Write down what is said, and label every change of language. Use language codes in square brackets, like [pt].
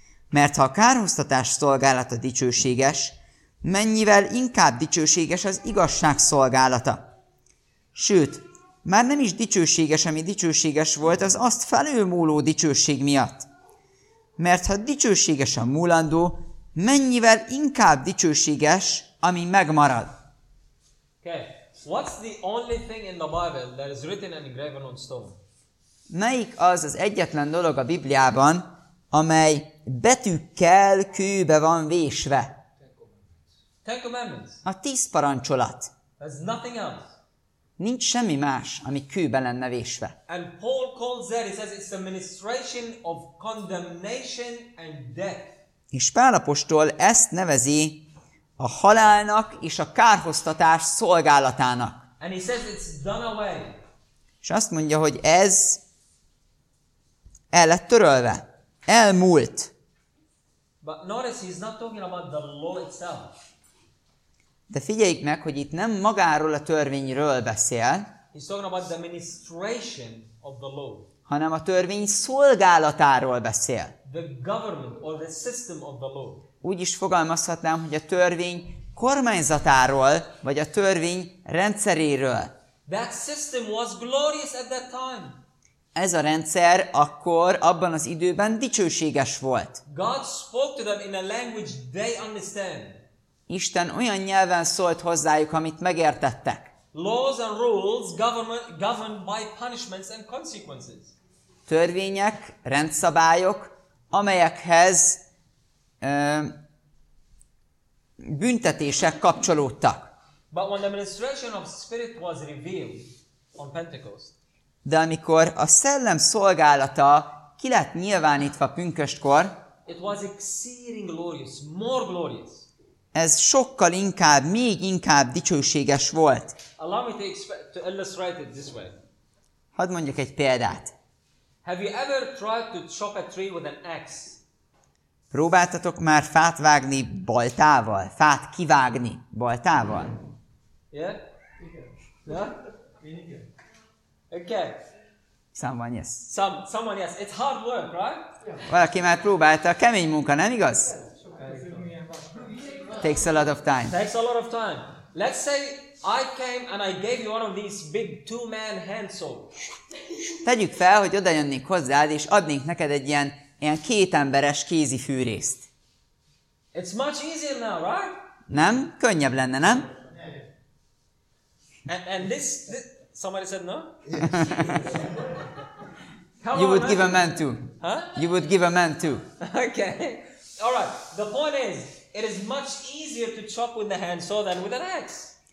[hu] Mert ha a kárhoztatás szolgálata dicsőséges, mennyivel inkább dicsőséges az igazság szolgálata? Sőt, már nem is dicsőséges, ami dicsőséges volt, az azt felülmúló dicsőség miatt. Mert ha dicsőséges a múlandó, mennyivel inkább dicsőséges, ami megmarad? [en] Okay. What's the only thing in the Bible that is written and engraven on stone? [hu] Melyik az az egyetlen dolog a Bibliában, amely betűkkel kőbe van vésve? [en] Ten Commandments. [hu] A 10 parancsolat. [en] There's nothing else. [hu] Nincs semmi más, ami kőbe lenne vésve. [en] And Paul calls that, he says, it's the administration of condemnation and death. [hu] És Pál apostol ezt nevezi a halálnak és a kárhoztatás szolgálatának. [en] And he says it's done away. [hu] És azt mondja, hogy ez el lett törölve. Elmúlt. [en] But notice he's not talking about the law itself. [hu] De figyeljük meg, hogy itt nem magáról a törvényről beszél, [en] he's talking about the administration of the law, [hu] hanem a törvény szolgálatáról beszél. [en] The government or the system of the law. [hu] Úgy is fogalmazhatnám, hogy a törvény kormányzatáról, vagy a törvény rendszeréről. [en] That system was glorious at that time. [hu] Ez a rendszer akkor, abban az időben dicsőséges volt. [en] God spoke to them in a language they understand. [hu] Isten olyan nyelven szólt hozzájuk, amit megértettek. [en] Laws and rules governed by punishments and consequences. [hu] Törvények, rendszabályok, amelyekhez büntetések kapcsolódtak. [en] But when the administration of spirit was revealed on Pentecost, [hu] de amikor a szellem szolgálata ki lett nyilvánítva pünköstkor, [en] it was exceeding glorious, more glorious. [hu] Ez sokkal inkább, még inkább dicsőséges volt. [en] Allow me to illustrate it this way. [hu] Hadd mondjak egy példát. [en] Have you ever tried to chop a tree with an axe? [hu] Próbáltatok már fát vágni baltával? Fát kivágni baltával? [en] Yeah? Yeah? Okay. Someone, yes. Someone, yes. It's hard work, right? [hu] Valaki már próbálta, kemény munka, nem igaz? [en] Takes a lot of time. Takes a lot of time. Let's say I came and I gave you one of these big two-man hand saws. [hu] Tegyük fel, hogy odajönnék hozzád, és adnék neked egy ilyen kétemberes kézi fűrészt. [en] It's much easier now, right? [hu] Nem? Könnyebb lenne, nem? [en] And this somebody said no? Yes. You would give a man too. Huh? You would give a man too. Okay. All right. The point is, it is much easier to chop with the hand saw than with an axe.